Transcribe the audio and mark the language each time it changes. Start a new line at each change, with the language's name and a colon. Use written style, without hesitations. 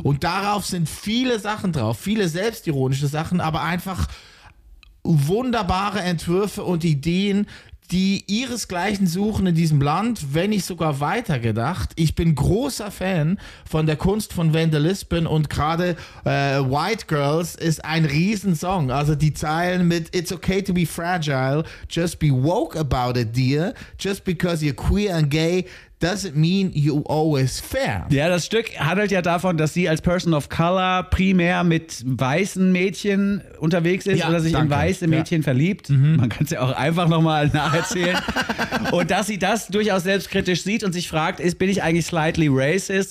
German: Und darauf sind viele Sachen drauf, viele selbstironische Sachen, aber einfach wunderbare Entwürfe und Ideen, die ihresgleichen suchen in diesem Land, wenn nicht sogar weitergedacht. Ich bin großer Fan von der Kunst von Vandalismen und gerade White Girls ist ein Riesensong. Also die Zeilen mit
English: It's okay to be fragile, just be woke about it, dear. Just because you're queer and gay doesn't mean you always fair.
German: Ja, das Stück handelt ja davon, dass sie als Person of Color primär mit weißen Mädchen unterwegs ist, ja, oder sich, danke, in weiße Mädchen, ja, verliebt. Mhm. Man kann es ja auch einfach nochmal nacherzählen. Und dass sie das durchaus selbstkritisch sieht und sich fragt, bin ich eigentlich
English: slightly racist?